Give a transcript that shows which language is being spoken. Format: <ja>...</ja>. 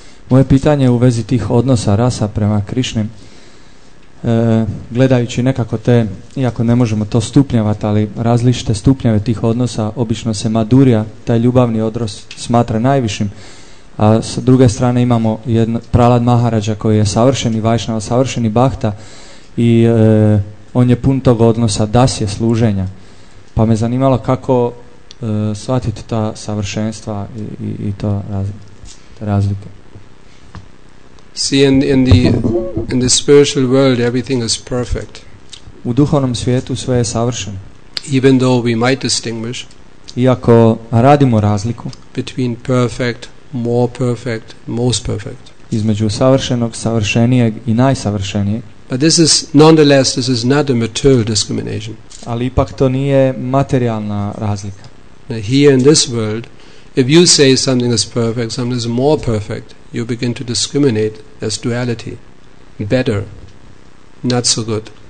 <hr>Moje pitanje u vezi tih odnosa rasa prema Krišni, gledajući nekako te, iako ne možemo to stupnjevati, ali različite stupnjeve tih odnosa, obično se madhurja, taj ljubavni odnos, smatra najvišim, a s druge strane imamo jedno, Prahlad Maharaja koji je savršeni vajšnava, savršeni bhakta, i on je pun tog odnosa dasje služenja. Pa me zanimalo kako shvatiti ta savršenstva i to te razlike.</hr> <en>See, in the spiritual world, everything is perfect.</en> <hr>U duhovnom svijetu sve je savršeno.</hr> <en>Even though we might distinguish,</en> <hr>iako radimo razliku,</hr> <en>between perfect, more perfect, most perfect.</en> <hr>Između savršenog, savršenijeg i najsavršenijeg.</hr> <en>But this is, nonetheless, this is not a material discrimination.</en> <hr>Ali ipak to nije materijalna razlika.</hr> <en>Now, here in this world, if you say something is perfect, something is more perfect, you begin to discriminate as duality, better, not so good.</en>